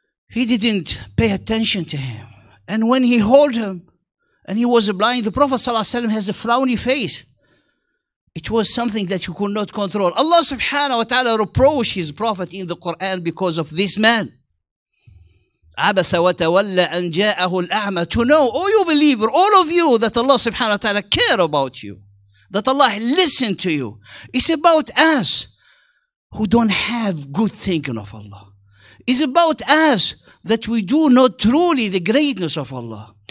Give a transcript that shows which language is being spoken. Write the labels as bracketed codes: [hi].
[en] He didn't pay attention to him. And when he held him, and he was blind, the Prophet sallallahu alayhi wa sallam has a frowny face. It was something that he could not control. Allah subhanahu wa ta'ala reproached his Prophet in the Quran because of this man. [ar] عبس وتولى أن جاءه الأعمى. [en] To know, oh you believer, all of you, that Allah subhanahu wa ta'ala care about you, that Allah listen to you. It's about us who don't have good thinking of Allah. It's about us that we do not truly the greatness of Allah.